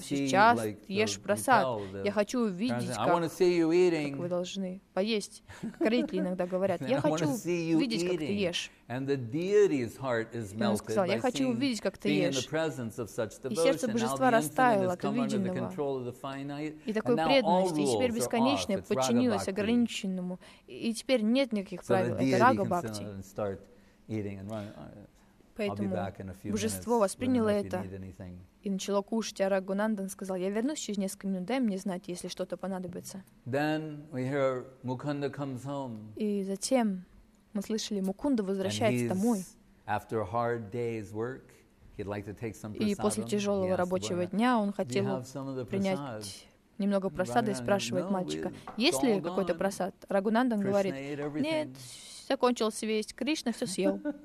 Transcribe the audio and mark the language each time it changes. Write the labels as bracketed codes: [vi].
[ru] Сейчас ешь прасад. Я хочу увидеть, как вы должны поесть. Как родители иногда говорят, я хочу увидеть, как ты ешь. [en] And the deity's heart is melted by seeing being in the presence of such devotion. And now the infinite has come under the control of the finite. And now all rules are off. It's [ru] Рагабхакти. Подчинилось ограниченному. И теперь нет никаких правил. Это Рагабхакти. [en] And start eating and running. [ru] Поэтому божество восприняло это и начало кушать. А Рагунандан сказал, я вернусь через несколько минут, дай мне знать, если что-то понадобится. [en] Then we hear Mukunda comes home. [ru] И затем мы слышали, Мукунда возвращается домой. [en] After hard day's work, he'd like to take some [ru] и после тяжелого рабочего дня он хотел принять немного прасада и спрашивает мальчика, есть ли какой-то прасад? Рагунандан говорит, нет, закончился весь, Кришна все съел.